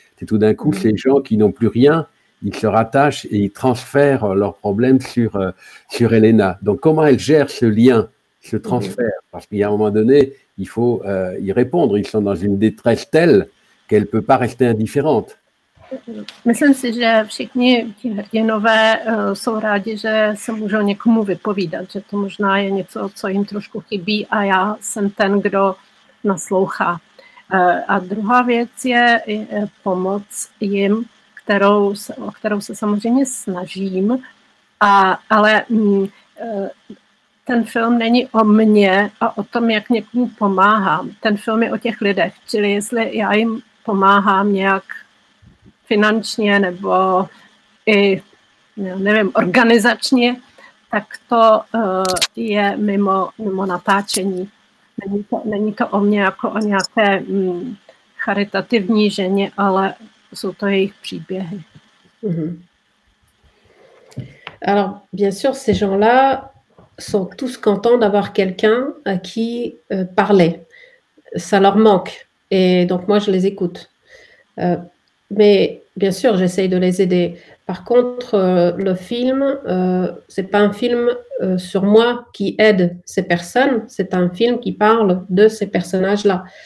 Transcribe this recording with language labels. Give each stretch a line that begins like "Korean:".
French: C'est tout d'un coup, ces gens qui n'ont plus rien, ils se rattachent et ils transfèrent leurs problèmes sur Elena. Donc, comment elle gère ce lien, ce transfert? Parce qu'il y a un moment donné, il faut y répondre. Ils sont dans une détresse telle qu'elle ne peut pas rester indifférente.
Czech: Myslím si, že všichni ti hrdinové jsou rádi, že se můžou někomu vypovídat, že to možná je něco, co jim trošku chybí a já jsem ten, kdo naslouchá. A druhá věc je pomoc jim, o kterou se samozřejmě snažím, ale ten film není o mně a o tom, jak někomu pomáhám. Ten film je o těch lidech, čili jestli já jim pomáhám nějak finančně nebo i, nevím, organizačně, tak to je mimo natáčení. Není to o mě jako o nějaké charitativní ženě, ale jsou to jejich příběhy. Mm-hmm.
French: Alors, bien sûr, ces gens-là sont tous contents d'avoir quelqu'un à qui parler. Ça leur manque. Et donc, moi, je les écoute. Mais bien sûr, j'essaye de les aider. Par contre, le film, c'est pas un film sur moi qui aide ces personnes, c'est un film qui parle de ces personnages-là.